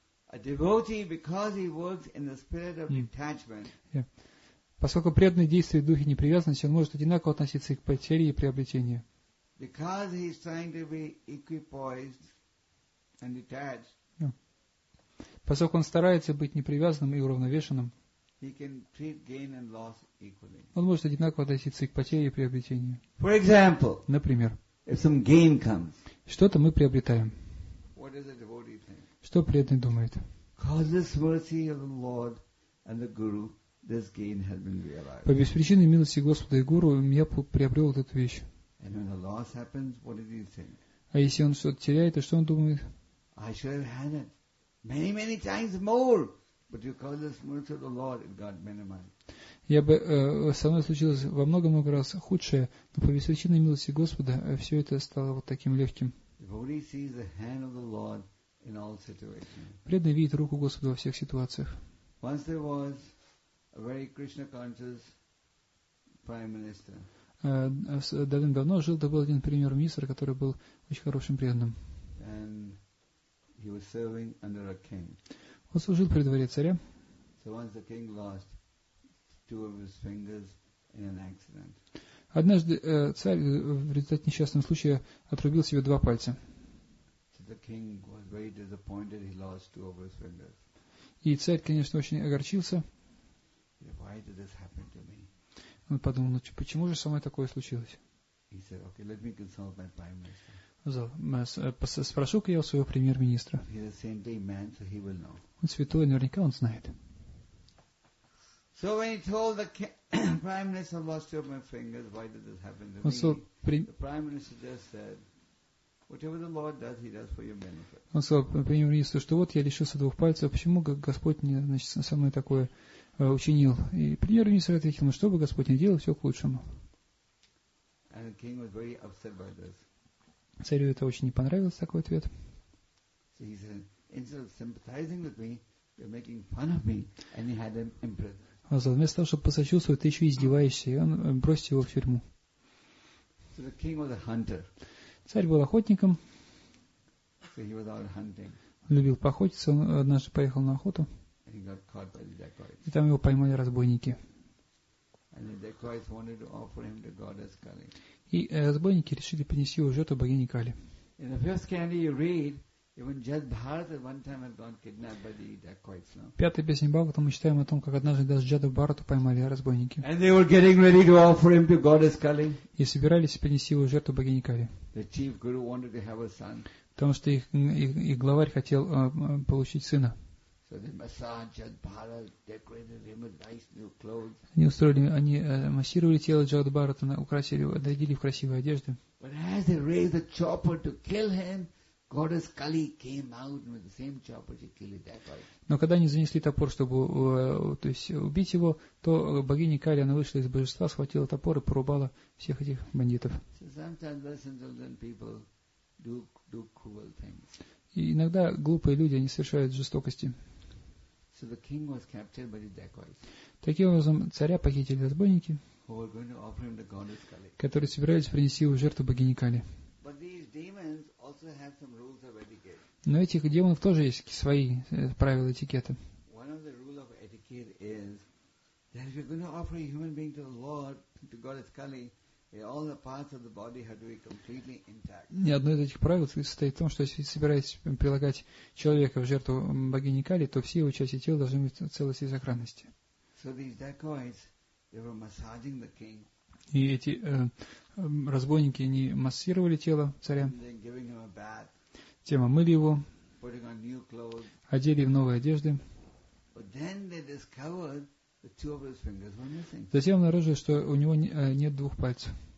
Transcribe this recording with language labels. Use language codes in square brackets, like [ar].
[en] A devotee, because he works in the spirit of detachment. [ru] Поскольку преданный действует в духе непривязанности, он может одинаково относиться и к потере, и приобретению. [en] Because he is trying to be equipoised. And detached. [ru] Поскольку он старается быть непривязанным и уравновешенным, [en] he can treat gain and loss equally. [ru] Он может одинаково относиться и к потере, и приобретению. [en] For example, [ru] например, [en] if some gain comes, [ru] что-то мы приобретаем. [en] What does a devotee think? [ru] Что преданный думает? [en] Causeless mercy of the Lord and the Guru, this gain has been realized. [ru] По беспричинной милости Господа и Гуру я приобрел вот эту вещь. [en] And when a loss happens, what does he think? [ru] А если он что-то теряет, то что он думает? [en] I should have had it many, many times more, but you call this mercy of the Lord, it got minimized. [ru] Я бы со мной случилось во много-много раз худшее, но по беспричинной милости Господа все это стало вот таким легким. [en] Devotee sees the hand of the Lord in all situations. [ru] Преданный видит руку Господа во всех ситуациях. [en] Once there was a very Krishna-conscious prime minister. [ru] Давным-давно жил-был один премьер-министр, который был очень хорошим преданным. [en] And he was serving under a king. [ru] Он служил при дворе царя. [en] So once the king lost, two of his fingers in an accident. [ru] Однажды царь в результате несчастного случая отрубил себе два пальца. [en] So the king was very disappointed. He lost two of his fingers. [ru] И царь, конечно, очень огорчился. [en] Why did this happen to me? [ru] Он подумал, ну почему же со мной такое случилось? [en] He said, okay, let me consult my prime minister. [ru] Спрошу-ка я у своего премьер-министра. [en] Man, so he will know. [ru] Он святой, наверняка он знает. [en] So when he told the prime minister, I lost two of my fingers, why did this happen to me? The prime minister just said, whatever the Lord does, he does for your benefit. [ru] Он сказал премьер-министру, что вот я лишился двух пальцев, почему Господь мне, значит, со мной такое учинил? И премьер-министр ответил, ну что бы Господь ни делал, все к лучшему. [en] And the king was very upset by this. [ru] Царю это очень не понравилось, такой ответ. [en] So he said, instead of sympathizing with me, you're making fun of me, and he had him imprisoned. [ru] Вместо того, чтобы посочувствовать, ты еще издеваешься, и он бросит его в тюрьму. [en] So the king was a hunter. [ru] Царь был охотником. [en] So he was out hunting. [ru] Любил поохотиться, он однажды поехал на охоту. [en] And he got caught by the dacoits. [ru] И там его поймали разбойники. [en] And the dacoits wanted to offer him the goddess Kali. [ru] И разбойники решили принести его жертву богине Кали. [en] In the first candy you read, even Jad Bharat at one time had gone kidnapped by the dacoits. [ru] В пятой песне Бхагаватам мы читаем о том, как однажды даже Джаду Бхарату поймали разбойники. [en] And they were getting ready to offer him to goddess Kali. [ru] И собирались принести его жертву богине Кали. [en] The chief guru wanted to have a son. [ru] Потому что их главарь хотел получить сына. [en] So they massaged Jad Bharat, decorated him with nice new clothes. [ru] Они устроили, они массировали тело Джад Бхарата, украсили его, нарядили в красивые одежды. [en] But as they raised the chopper to kill him, goddess Kali came out with the same chopper to kill the dacoit. [ru] Но когда они занесли топор, чтобы то есть убить его, то богиня Кали, она вышла из божества, схватила топор и порубала всех этих бандитов. [en] So sometimes less intelligent people do cruel things. [ru] И иногда глупые люди, они совершают жестокости. [en] So the king was captured by the dacoits. [ru] Таким образом, царя похитили разбойники, [en] who were going to offer him the goddess Kali. [ru] Которые собирались принести его жертву богине Кали. [en] But these demons also have some rules of etiquette. [ru] Но этих демонов тоже есть свои правила этикета. [en] One of the rules of etiquette is that if you're going to offer a human being to the Lord, to goddess Kali, all the parts of the body have to be completely intact. [ru] Ни одно из этих правил состоит в том, что если собираетесь прилагать человека в жертву богине Кали, то все его части тела должны быть в целости и сохранности. [en] So these dacoits, they were massaging the king. [ru] И эти разбойники не массировали тело царя. [en] And then giving him a bath. [ru] Тем омыли его. [en] Putting on new clothes. [ru] Одели в новые одежды. [en] But then they discovered. The two of his fingers were missing. [ru] Затем обнаружили, что у него нет двух пальцев.